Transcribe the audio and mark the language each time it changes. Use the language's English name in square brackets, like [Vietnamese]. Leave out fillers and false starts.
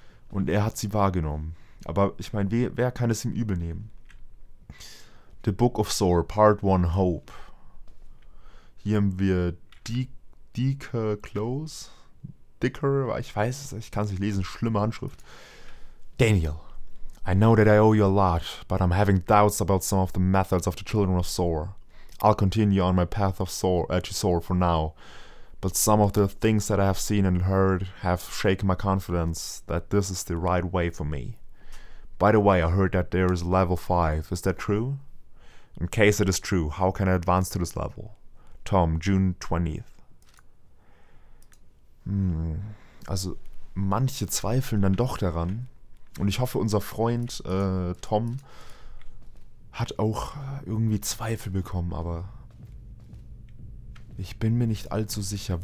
[German] Und er hat sie wahrgenommen. Aber ich meine, wer kann es ihm übel nehmen? [English] The Book of Sore, Part 1, Hope. [German] Hier haben wir [English] Deke Close. [German] Dicker, ich weiß es, ich kann es nicht lesen, schlimme Handschrift. [English] Daniel, I know that I owe you a lot, but I'm having doubts about some of the methods of the Children of Sore. I'll continue on my path of Sore for now, but some of the things that I have seen and heard have shaken my confidence that this is the right way for me. By the way, I heard that there is level 5, is that true? In case it is true, how can I advance to this level? Tom, June 20th. [German] Also manche zweifeln dann doch daran und ich hoffe, unser Freund Tom hat auch irgendwie Zweifel bekommen, aber ich bin mir nicht allzu sicher.